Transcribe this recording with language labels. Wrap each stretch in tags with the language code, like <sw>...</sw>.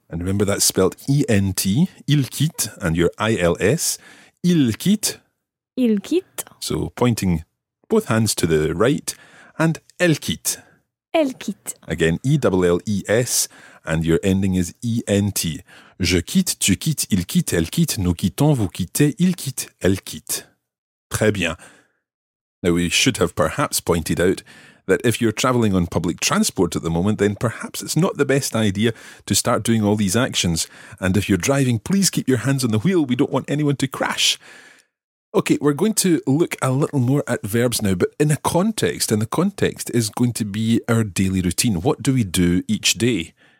<en>And remember that's spelled E-N-T,</en> <fr>il quitte,</fr> <en>and your I-L-S, il quitte.</en> <fr>Il quitte.</fr> <en>So pointing both hands to the right, and</en> <fr>elle quitte. Elle quitte.</fr> <en>Again, E-L-L-E-S, and your ending is E-N-T.</en> <fr>Je quitte, tu quittes, il quitte, elle quitte, nous quittons, vous quittez, il quitte, elle quitte. Très bien.</fr> <en>Now we should have perhaps pointed out that if you're travelling on public transport at the moment, then perhaps it's not the best idea to start doing all these actions. And if you're driving, please keep your hands on the wheel. We don't want anyone to crash. Okay, we're going to look a little more at verbs now, but in a context, and the context is going to be our daily routine. What do we do each day?</en>